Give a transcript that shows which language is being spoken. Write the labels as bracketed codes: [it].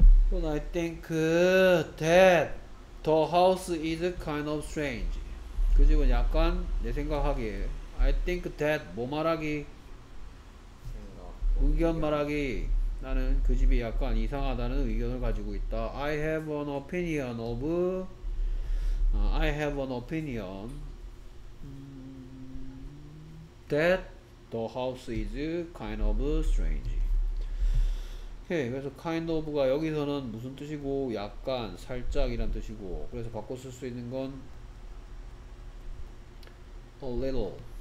[en] But I think that the house is kind of strange. [ko] 그 집은 약간 내 생각하기에. [en] I think that [ko] 뭐 말하기? 의견 말하기. 나는 그 집이 약간 이상하다는 의견을 가지고 있다. [en] I have an opinion of. I have an opinion that the house is kind of strange. [ko] 오케이, 그래서 [en] kind of [ko] 가 여기서는 무슨 뜻이고 약간 살짝이란 뜻이고 그래서 바꿔 쓸 수 있는 건 [en] a little.